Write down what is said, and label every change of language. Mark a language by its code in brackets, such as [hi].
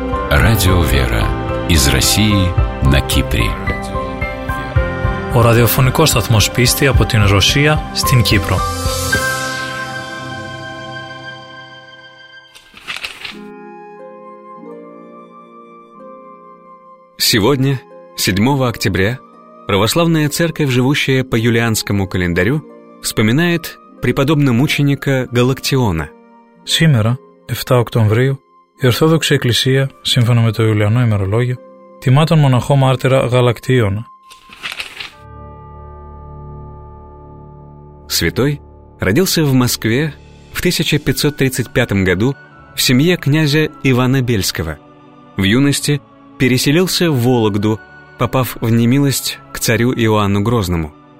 [ru] Радио «Вера» из России на Кипре. [el] Ο ραδιοφωνικός σταθμός πίστη από την Ρωσία στην Κύπρο. [ru] Сегодня, 7 октября, православная церковь, живущая по юлианскому календарю, вспоминает преподобного мученика Галактиона. Сегодня, 7 октября, [el] η Ορθόδοξη Εκκλησία, σύμφωνα με το Ιουλιανό ημερολόγιο, τιμά τον μοναχό μάρτυρα Γαλακτίωνα. [ru] Святой родился в Москве в 1535 году в семье князя Ивана Бельского. В юности переселился в Вологду, попав в немилость к царю Иоанну Грозному.